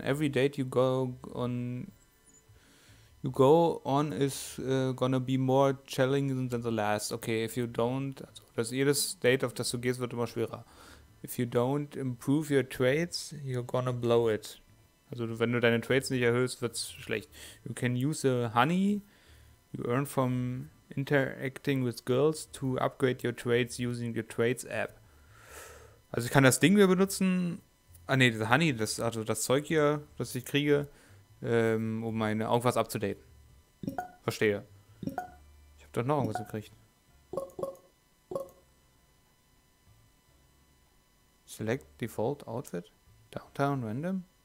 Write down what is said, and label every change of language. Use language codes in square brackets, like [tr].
[en] Every date you go on is gonna be more challenging than the last. [de] Okay, [en] if you don't, [de] also das jedes Date, auf das du gehst, wird immer schwerer. [en] If you don't improve your trades, you're gonna blow it. [de] Also wenn du deine Trades nicht erhöhst, wird's schlecht. [en] You can use the honey you earn from interacting with girls to upgrade your trades using your trades app. [de] Also ich kann das Ding wieder benutzen. Ah ne, das Honey, das, also das Zeug hier, das ich kriege, um meine irgendwas abzudaten. Verstehe. Ich habe doch noch irgendwas gekriegt. [en] Select default outfit. Downtown random.